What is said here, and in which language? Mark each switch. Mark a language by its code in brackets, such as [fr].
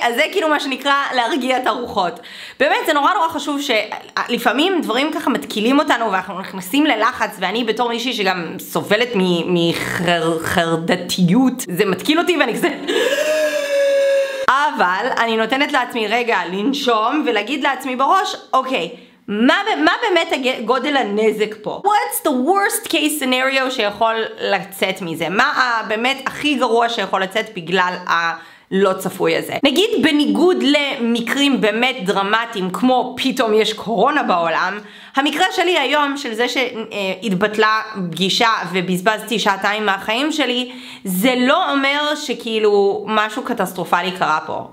[he] אז זה כאילו מה שנקרא להרגיע את הרוחות. באמת, זה נורא נורא חשוב שלפעמים דברים ככה מתקילים אותנו ואנחנו נכנסים ללחץ, ואני בתור מישהי שגם סובלת מחרדתיות, זה מתקיל אותי ואני כזה... אבל אני נותנת לעצמי רגע לנשום ולהגיד לעצמי בראש, אוקיי, מה באמת גודל הנזק פה? [en] What's the worst case scenario [he] שיכול לצאת מזה? מה באמת הכי גרוע שיכול לצאת בגלל הלא צפוי הזה? נגיד בניגוד למקרים באמת דרמטיים כמו פתאום יש קורונה בעולם, המקרה שלי היום של זה שהתבטלה פגישה ובזבזתי שעתיים מהחיים שלי, זה לא אומר שכאילו משהו קטסטרופלי קרה פה.